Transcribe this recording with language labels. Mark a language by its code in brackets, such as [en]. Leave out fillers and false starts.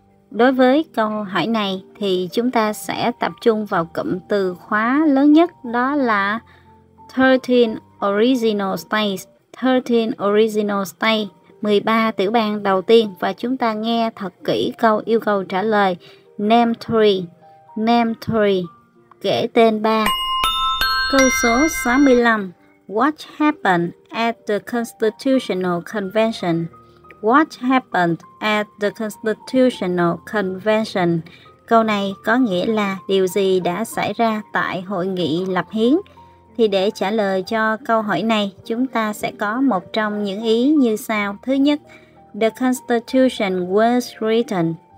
[vi] Đối với câu hỏi này thì chúng ta sẽ tập trung vào cụm từ khóa lớn nhất, đó là [en] 13 original states, 13 original states, [vi] 13 tiểu bang đầu tiên. Và chúng ta nghe thật kỹ câu yêu cầu trả lời. [en] Name 3, name 3, [vi] kể tên 3. Câu số 65, [en] what happened at the Constitutional Convention? What happened at the Constitutional Convention? [vi] Câu này có nghĩa là điều gì đã xảy ra tại hội nghị lập hiến? Thì để trả lời cho câu hỏi này, chúng ta sẽ có một trong những ý như sau. Thứ nhất, [en] the Constitution was written.